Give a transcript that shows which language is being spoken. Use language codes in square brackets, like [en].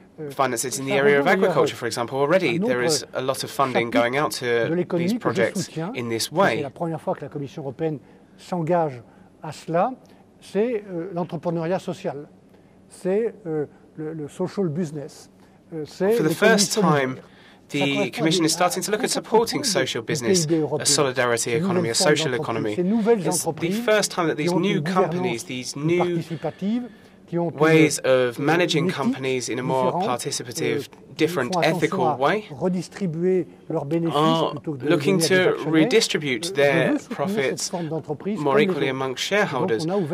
[en] Finance it in the area of agriculture, for example. Already, there is a lot of funding going out to these projects [fr] soutiens, [en] in this way. [fr] C'est la première fois que la Commission européenne s'engage à cela, c'est l'entrepreneuriat social, c'est le social business, c'est [en] for the first time, the Commission is starting to look at supporting social business, a solidarity economy, a social economy. It's the first time that these new companies, these new ways of managing companies in a more participative, different, ethical way are looking to redistribute their profits more equally amongst shareholders.